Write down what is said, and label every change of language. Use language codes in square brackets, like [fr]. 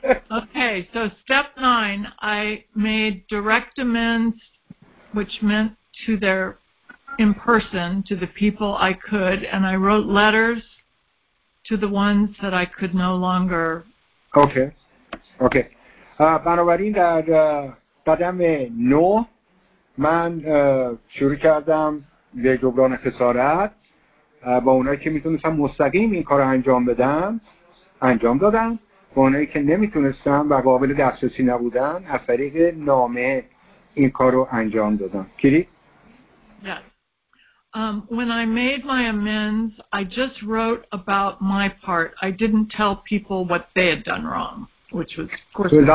[en] Okay, so step 9, I made direct amends, which meant to their... in person to the people I could, and I wrote letters to the ones that I could no longer. Okay. [fa] بنابراین در قدم 9 من شروع کردم به جبران خسارت با اونایی که میتونستم مستقیم این کارو انجام بدم انجام دادم، با اونایی که نمیتونستم و قابل دسترسی نبودن از طریق نامه این کارو انجام دادم. کلی [en] Yes. When I made my amends, I just wrote about my part. I didn't tell people what they had done wrong, which was, of course.